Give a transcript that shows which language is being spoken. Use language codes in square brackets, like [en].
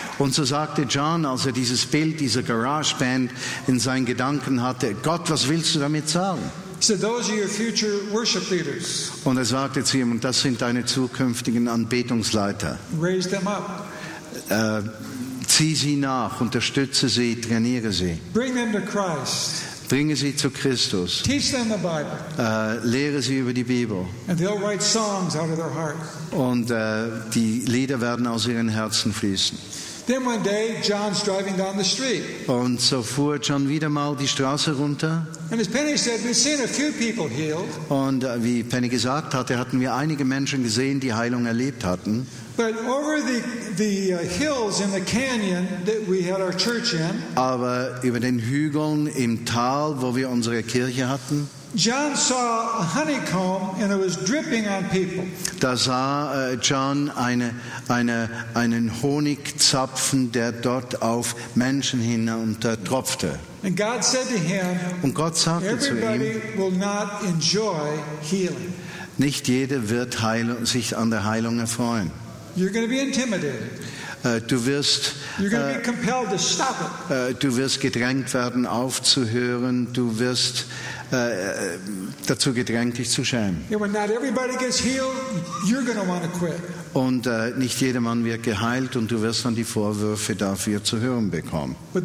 [de] Und so sagte John, als er dieses Bild dieser Garage Band in seinen Gedanken hatte, Gott, was willst du damit sagen? [en] He said, "Those are your future worship leaders." [de] Und er sagte zu ihm, das sind deine zukünftigen Anbetungsleiter. [en] Raise them up. [de] Zieh sie nach, unterstütze sie, trainiere sie. [en] Bring them to Christ. [de] Bringe sie zu Christus. [en] Teach them the Bible. [de] Lehre sie über die Bibel. [en] And they'll write songs out of their heart. [de] Und die Lieder werden aus ihren Herzen fließen. [en] Then one day, John's driving down the street. [de] Und so fuhr John wieder mal die Straße runter. [en] And as Penny said, we've seen a few people healed. [de] Und wie Penny gesagt hatte, hatten wir einige Menschen gesehen, die Heilung erlebt hatten. [en] But over the hills in the canyon that we had our church in. [de] Aber über den Hügeln im Tal, wo wir unsere Kirche hatten. [en] John saw a honeycomb and it was dripping on people. [de] Da sah John einen Honigzapfen, der dort auf Menschen hinuntertropfte. [en] And God said to him. [de] Und Gott sagte zu ihm. [en] Everybody will not enjoy healing. [de] Nicht jeder wird sich an der Heilung erfreuen. [en] You're going to be intimidated. You're going to be compelled to stop it. [de] Du wirst gedrängt werden, aufzuhören. Du wirst dazu gedrängt, dich zu schämen. [en] Yeah, when not everybody gets healed, you're going to want to quit. [de] Und nicht jedermann wird geheilt und du wirst dann die Vorwürfe dafür zu hören bekommen.